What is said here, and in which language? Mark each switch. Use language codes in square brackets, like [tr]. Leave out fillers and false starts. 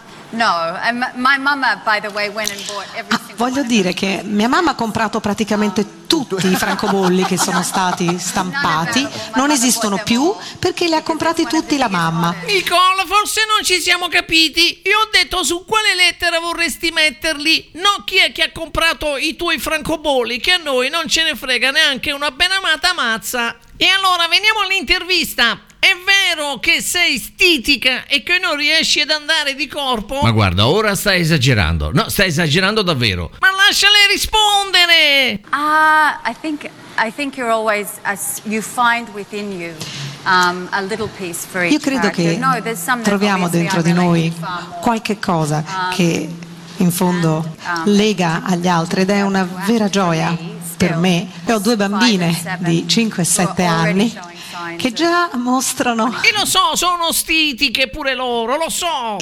[en] No, my mama, by the way, went and bought every single one. [it] Voglio dire che mia mamma ha comprato praticamente tutti i francobolli che sono stati stampati. Non esistono più perché li ha comprati tutti la mamma. Nicole, forse non ci siamo capiti. Io ho detto su quale lettera vorresti metterli. No, chi è che ha comprato i tuoi francobolli? Che a noi non ce ne frega neanche una ben amata mazza. E allora veniamo all'intervista. È vero che sei stitica e che non riesci ad andare di corpo? Ma guarda, ora stai esagerando. No, stai esagerando davvero. Ma lasciale rispondere! [en] I think you're always you find within you a little piece for each. [it] Io credo che troviamo dentro di noi qualche cosa che in fondo lega agli altri ed è una vera gioia per me. E ho due bambine di 5 e 7 anni che già mostrano. E lo so, sono stitiche pure loro, lo so.